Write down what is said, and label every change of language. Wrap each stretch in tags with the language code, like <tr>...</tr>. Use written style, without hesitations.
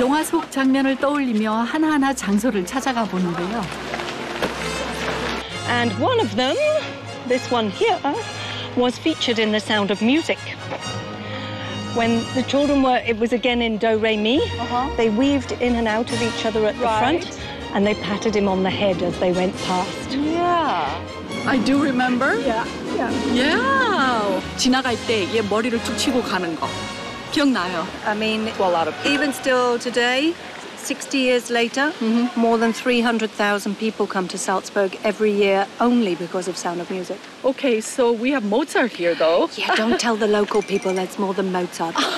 <ko>영화 속 장면을 떠올리며 하나하나 장소를 찾아가 보는데요.</ko> <en>And one of them, this one here, was featured in The Sound of Music. When the children were, it was again in Do Re Mi, they weaved in and out of each other at the front, and they patted him on the head as they went past. I do remember. Yeah.</en> <ko>지나갈 때 얘 머리를 툭 치고 가는 거 기억나요.</ko> <en>I mean, even still today, 60 years later, more than 300,000 people come to Salzburg every year only because of Sound of Music. Okay, so we have Mozart here, though. Yeah, don't tell the local people that's more than Mozart.</en>